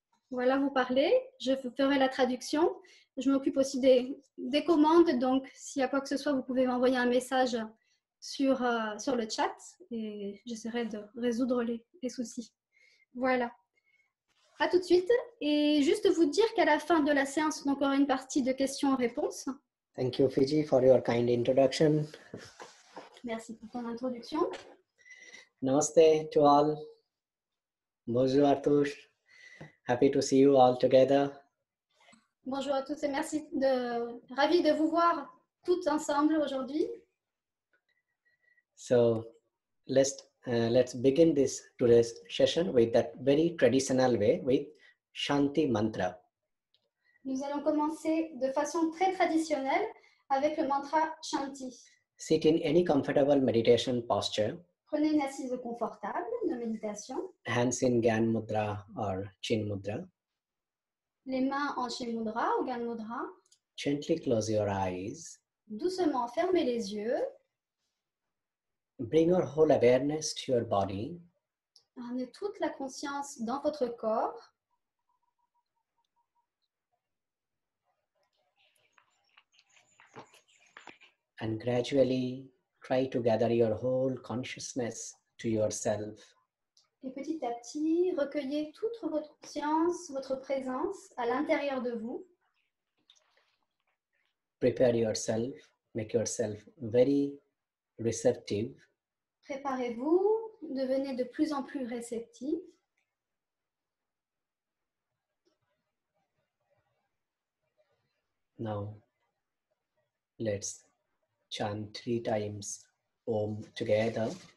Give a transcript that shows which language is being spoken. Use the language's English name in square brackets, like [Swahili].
[French] Voilà, vous parlez, je ferai la traduction. Je m'occupe aussi des commandes, donc s'il y a quoi que ce soit, vous pouvez m'envoyer un message sur le chat et j'essaierai de résoudre les soucis. Voilà, à tout de suite. Et juste vous dire qu'à la fin de la séance, on aura une partie de questions-réponses. [English] Thank you, Fidji, for your kind introduction. [French] Merci pour ton introduction. [English] Namaste to all. [French] Bonjour à tous. [English] Happy to see you all together. [French] Bonjour à tous et merci de ravi de vous voir toutes ensemble aujourd'hui. [English] So let's begin this today's session with that very traditional way with Shanti Mantra. [French] Nous allons commencer de façon très traditionnelle avec le mantra Shanti. [English] Sit in any comfortable meditation posture. [French] Prenez une assise confortable de méditation. [English] Hands in Gyan Mudra or Chin Mudra. [French] Les mains en Chin Mudra ou Gyan Mudra. [English] Gently close your eyes. [French] Doucement fermez les yeux. [English] Bring your whole awareness to your body. [French] Ramenez toute la conscience dans votre corps. [English] And gradually try to gather your whole consciousness to yourself. [French] Et petit à petit, recueillez toute votre conscience, votre présence à l'intérieur de vous. [English] Prepare yourself, make yourself very receptive. [French] Préparez-vous, devenez de plus en plus réceptif. [English] Now, let's chant 3 times. Om together.